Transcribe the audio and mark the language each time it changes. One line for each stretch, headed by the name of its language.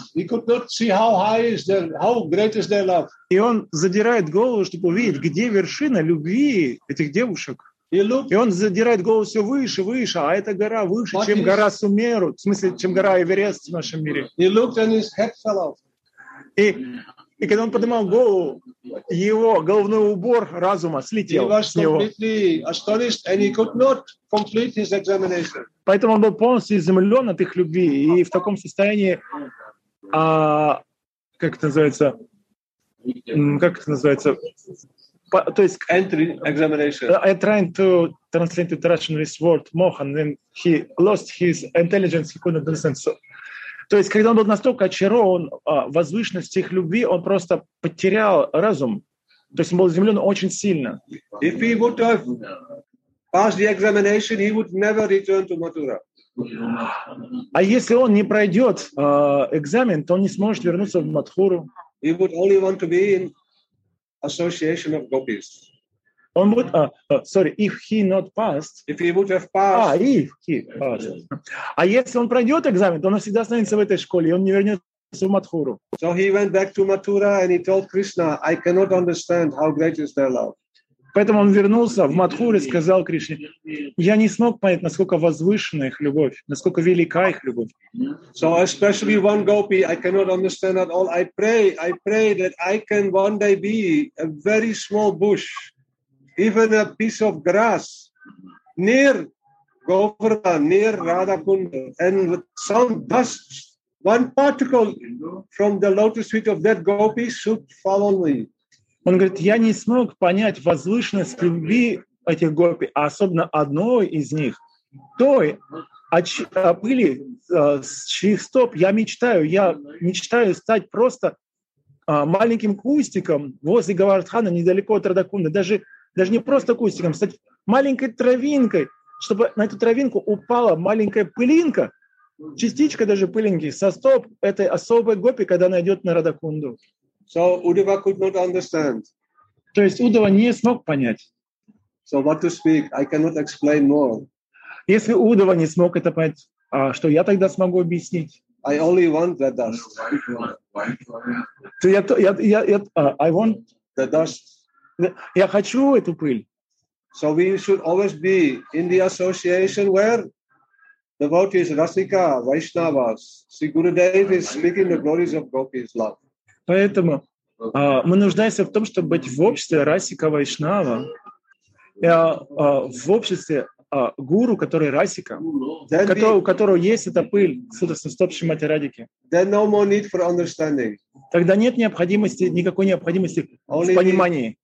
English: He could not see how high is their, how great is their love.
Russian: И он задирает голову, чтобы увидеть, где вершина любви этих девушек. И он задирает голову все выше, выше, а эта гора выше,
English: but
Russian: чем гора Сумеру, в смысле, чем гора Эверест в нашем мире.
English: He looked and his head fell off.
Russian: И когда он поднимал голову, его головной убор разума слетел с него. Поэтому он был полностью изумлен от их любви и в таком состоянии, как это называется, то есть
English: entry examination. I tried to translate the Russian this word "moha", and then he lost his intelligence. He couldn't understand.
Russian: So, то есть, когда он был настолько очарован возвышенностью их любви, он просто потерял разум. То есть, он был изумлен очень сильно.
English: If he would have passed the examination, he would never return to Mathura.
Russian: А если он не пройдет экзамен, то он не сможет вернуться в Матхуру.
English: He would only want to be in association of gopis.
Russian: Он будет,
English: if he not passed. If he would have passed. If he passed.
Russian: А если он пройдет экзамен, то он навсегда останется в этой школе, и он не вернется в Матхуру.
English: So he went back to Mathura and he told Krishna, I cannot understand how great is their love.
Russian: Поэтому он вернулся в Матхуру и сказал Кришне, я не смог понять, насколько возвышена их любовь, насколько велика их любовь.
English: So especially one gopi, I cannot understand at all. I pray that I can one day be a very small bush, even a piece of grass, near Govardhan, near Radha Kunda, and with some dust, one particle from the lotus feet of that gopi should fall on me.
Russian: Он говорит, я не смог понять возвышенность любви этих гопи, а особенно одной из них, той пыли, с чьих стоп я мечтаю стать просто маленьким кустиком возле Говардхана, недалеко от Радакунды, даже не просто кустиком, стать маленькой травинкой, чтобы на эту травинку упала маленькая пылинка, частичка даже пылинки, со стоп этой особой гопи, когда она идет на Радакунду.
English: So Uddhava could not understand.
Russian: То есть Удава не смог понять.
English: So what to speak? I cannot explain more.
Russian: Если Удава не смог это понять, что я тогда смогу объяснить?
English: I only want the dust. So I want the dust.
Russian: Я хочу эту пыль.
English: So we should always be in the association where devotees, Rasika, Vaishnavas, Sri Gurudev is speaking the glories of Gopi's love.
Russian: Поэтому мы нуждаемся в том, чтобы быть в обществе Расика Вайшнава, в обществе гуру, который Расика, у которого есть эта пыль, судасна стоп Шримати Радики.
English: No more need for understanding.
Russian: Тогда нет необходимости, никакой необходимости
English: only
Russian: в понимании.